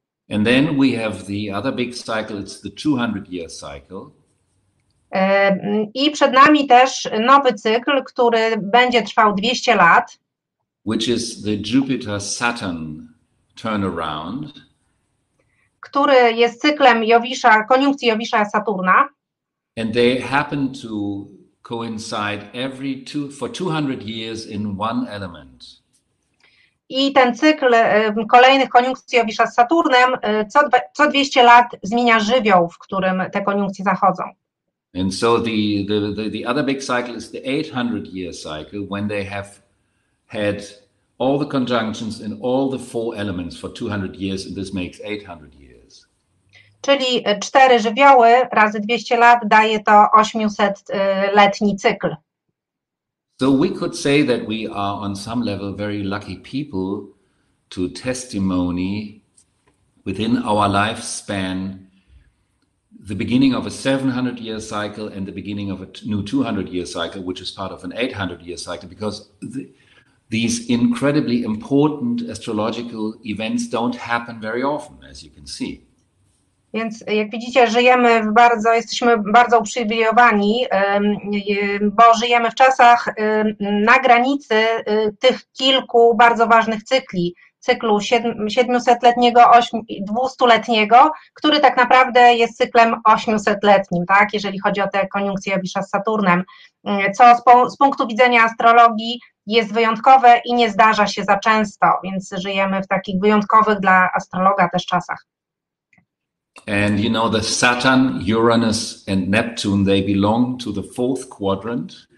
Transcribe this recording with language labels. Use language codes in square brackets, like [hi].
[en] And then we have the other big cycle, it's the 200 year cycle. [pl] I przed nami też nowy cykl, który będzie trwał 200 lat. [en] Which is the Jupiter-Saturn turnaround. [pl] Który jest cyklem Jowisza, koniunkcji Jowisza-Saturna. [en] And they happen to coincide every for 200 years in one element. [pl] I ten cykl kolejnych koniunkcji Jowisza z Saturnem co 200 lat zmienia żywioł, w którym te koniunkcje zachodzą. [en] And so the other big cycle is the 800 year cycle when they have had all the conjunctions in all the four elements for 200 years and this makes 800 years. [pl] Czyli cztery żywioły razy 200 lat daje to 800 letni cykl. [en] So we could say that we are on some level very lucky people to testimony within our lifespan the beginning of a 700 year cycle and the beginning of a new 200 year cycle, which is part of an 800 year cycle, because these incredibly important astrological events don't happen very often, as you can see. [pl] Więc jak widzicie, żyjemy jesteśmy bardzo uprzywilejowani, bo żyjemy w czasach na granicy tych kilku bardzo ważnych cykli. Cyklu 700-letniego, 200-letniego, który tak naprawdę jest cyklem 800-letnim, tak? Jeżeli chodzi o te koniunkcje Jowisza z Saturnem, co z punktu widzenia astrologii jest wyjątkowe i nie zdarza się za często, więc żyjemy w takich wyjątkowych dla astrologa też czasach. [en] And you know the Saturn, Uranus and Neptune, they belong to the fourth quadrant.